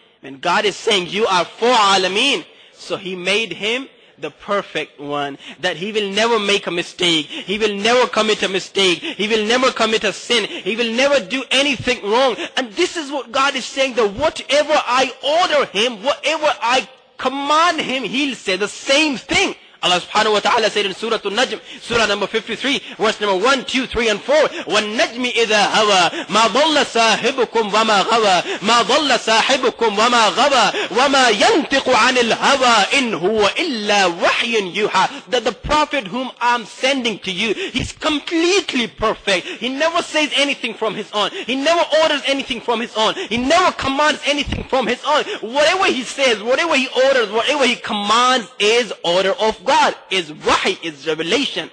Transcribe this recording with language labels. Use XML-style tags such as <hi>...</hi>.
<en>When God is saying, you are for alameen, so he made him the perfect one, that he will never make a mistake, he will never commit a mistake, he will never commit a sin, he will never do anything wrong. And this is what God is saying, that whatever I order him, whatever I command him, he'll say the same thing. Allah subhanahu wa ta'ala said in Surah An-Najm, Surah number 53, verse number 1, 2, 3, and 4,</en> <ar>وَالنَّجْمِ إِذَا هَوَى مَا ضَلَّ صَاحِبُكُمْ وَمَا غَوَى مَا ضَلَّ صَاحِبُكُمْ وَمَا غَوَى وَمَا يَنْتِقُ عَنِ الْهَوَى إِنْ هُوَ إِلَّا وَحْيٌ يُوحَى.</ar> <en>That the Prophet whom I'm sending to you, he's completely perfect. He never says anything from his own. He never orders anything from his own. He never commands anything from his own. Whatever he says, whatever he orders, whatever he commands is order of God, is wahi, is revelation.</en>